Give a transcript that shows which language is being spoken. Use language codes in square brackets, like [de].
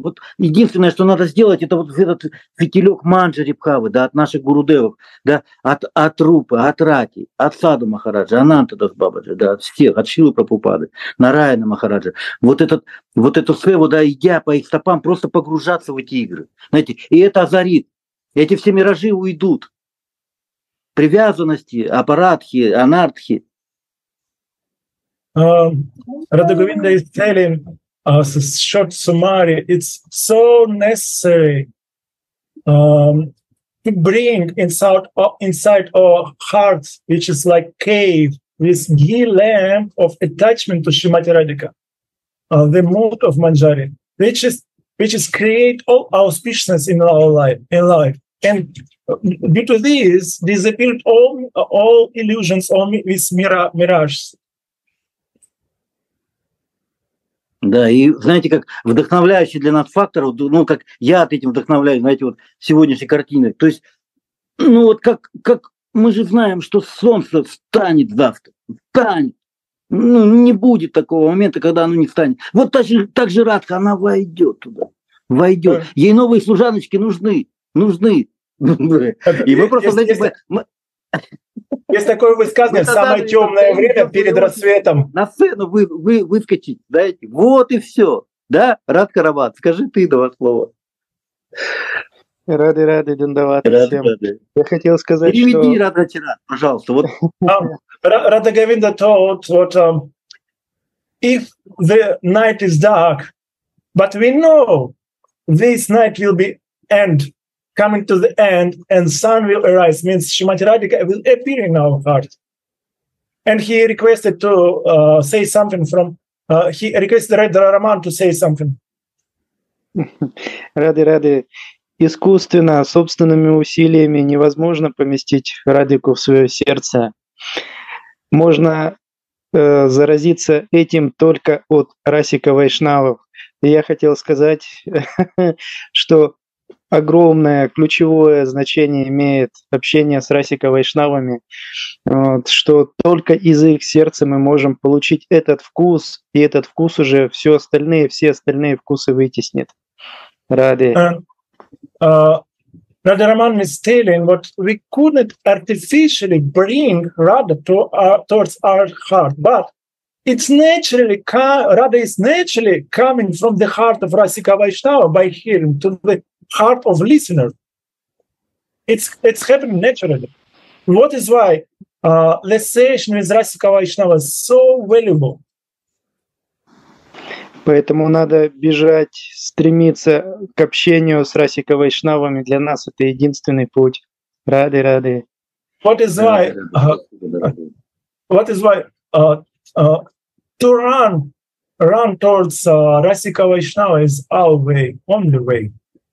[ru] Вот единственное, что надо сделать, это вот этот фитилек манджари бхавы, да, от наших гурудевов, да, от рупы, от рати, от саду Махараджа, Ананта Дас Бабаджи, да, от всех, от Шилы Прабхупады, Нараяна Махараджа. Вот эту свеву, да, идя по их стопам, просто погружаться в эти игры. Знаете, и это озарит. Эти все миражи уйдут. Привязанности, апаратхи, анартхи. Радхагавинда из Телли. [en] Short summary, it's so necessary to bring inside our hearts, which is like cave, this ghee lamp of attachment to Srimati Radhika, the mood of Manjari, which is create all auspiciousness in our life. And due to this, disappeared all illusions, all these mirages. [ru] Да, и знаете, как вдохновляющий для нас фактор, ну, как я от этим вдохновляюсь, знаете, вот сегодняшней картины. То есть, ну, вот как мы же знаем, что солнце встанет завтра, встанет. Ну, не будет такого момента, когда оно не встанет. Вот так же Радха, она войдет туда, войдет. Ей новые служаночки нужны. И мы просто, знаете, есть такое высказывание, самое темное время перед рассветом. На сцену выскочить, знаете, вот и все. Да, Радха Рамат, скажи ты два слова. Рады-рады, Дандавата рады, всем. Рады. Я хотел сказать, что... Переведи, Радха Чарат, пожалуйста. Радха Говинда тот, [en] if the night is dark, but we know this night will be end, coming to the end, and sun will arise, means Shrimati Radhika will appear in our heart. And he requested to say something from, he requested Radha Raman to say something. [ru] Ради-ради, искусственно, собственными усилиями невозможно поместить Радику в свое сердце. Можно заразиться этим только от Расика Вайшнавов. И я хотел сказать, что огромное ключевое значение имеет общение с Расика Вайшнавами, вот, что только из их сердца мы можем получить этот вкус, и этот вкус уже все остальные вкусы вытеснит. Ради. [en] Radha Raman is telling what we couldn't artificially bring Radha to our, towards our heart, but it's naturally Radha is naturally coming from the heart of Rasika Vaishnava by hearing to the heart of listener. It's happening naturally. What is why the session with Rasika Vaishnava is so valuable. [ru] Поэтому надо бежать, стремиться к общению с Расика Вайшнавами. Для нас это единственный путь. Рады, рады. [en] What is why to run towards Rasika Vaishnava is our way, only way.